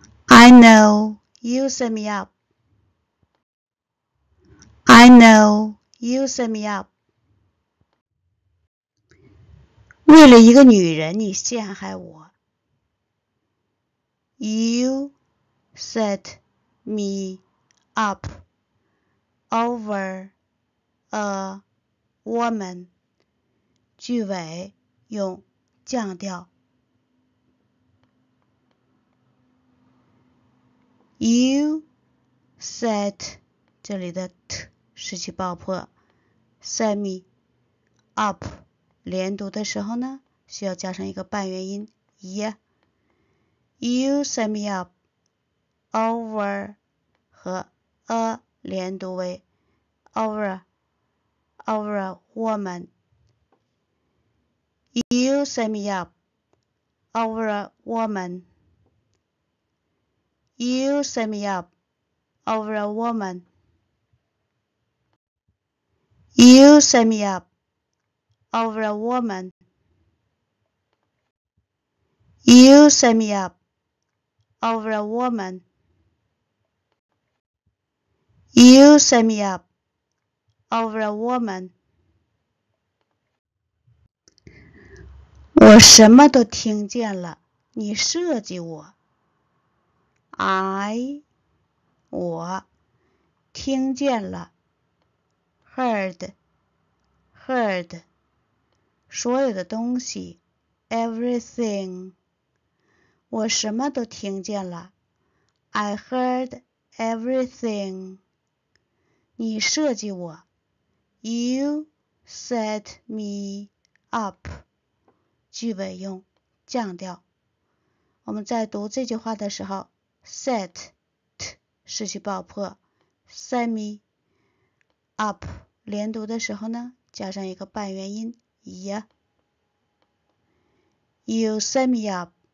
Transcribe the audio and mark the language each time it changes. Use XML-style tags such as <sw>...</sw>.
<en>I know you set me up. I know you set me up.</en> <zh>为了一个女人，你陷害我。</zh> <en>You set me up over a woman.</en> <zh>句尾用降调。</zh> <en>You set</en> <zh>这里的 t 失去爆破，semi up 连读的时候呢，需要加上一个半元音 y。</zh> <en>You set me up over</en> <zh>和</zh> <en>a</en> <zh>连读为</zh> <en>over a woman。 You set me up over a woman. You set me up over a woman. You set me up over a woman. You set me up over a woman. You set me up over a woman.</en> <zh>我什么都听见了，你设计我。我听见了。</zh> <en>Heard，</en> <zh>所有的东西，</zh> <en>everything，</en> <zh>我什么都听见了，</zh> <en>I heard everything。</en> <zh>你设计我，</zh> <en>You set me up。</en> <zh>句尾用降调。我们在读这句话的时候，set 失去爆破，semi up 连读的时候呢？加上一个半元音</zh> <en>y，You set me up.</en>